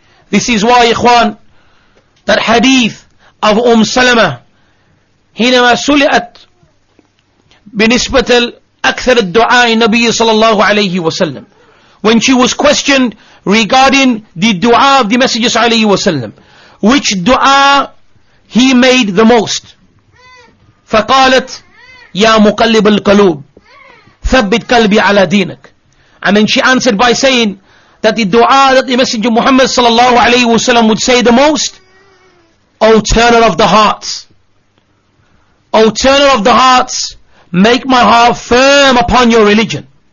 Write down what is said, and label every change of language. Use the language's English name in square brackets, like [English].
[English] This is why, ikhwan, that hadith of Salama, [Arabic] حينما سُلِئَتْ بِنِسْبَةِ الْأَكْثَرِ الدُّعَاءِ نَبِيِّ صَلَى اللَّهُ عَلَيْهِ وَسَلَّمْ, [English] when she was questioned regarding the dua of the Messenger sallallahu alayhi wa sallam, which dua he made the most. [Arabic] فقالت يا مقلب القلوب ثبت قلبي على دينك. [English] And then she answered by saying that the dua that the Messenger Muhammad sallallahu alayhi wa sallam would say the most, O turner of the hearts, O turner of the hearts, make my heart firm upon your religion.